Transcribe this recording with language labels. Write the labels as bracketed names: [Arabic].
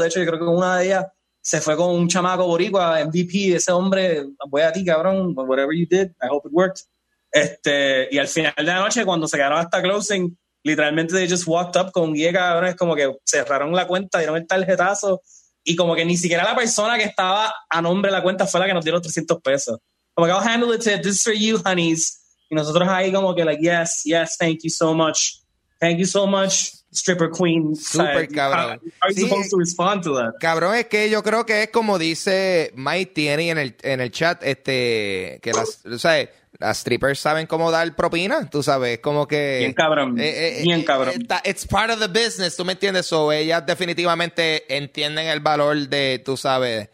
[Spanish] De hecho, yo creo que una de ellas se fue con un chamaco boricua, MVP, ese hombre, voy a ti, cabrón, [English] whatever you did, I hope it worked. [Spanish] Y al final de la noche, cuando se quedaron hasta closing, literalmente [English] they just walked up [Spanish] con 10 cabrones, como que cerraron la cuenta, dieron el tarjetazo, y como que ni siquiera la persona que estaba a nombre de la cuenta fue la que nos dio los 300 pesos. [English] Como que I'll handle it, this is for you, honeys. [Spanish] Y nosotros ahí como que [English] like, yes, yes, thank you so much. Thank you so much. Stripper queen. [Spanish] Super cabrón. [English] How are you supposed to respond to that? [Spanish] Cabrón, es que yo creo que es como dice Mighty Annie en el chat, que las strippers saben cómo dar propina, tú sabes, como que... Bien cabrón, bien cabrón. [English] It's part of the business, [Spanish] tú me entiendes, o ellas definitivamente entienden el valor de, tú sabes...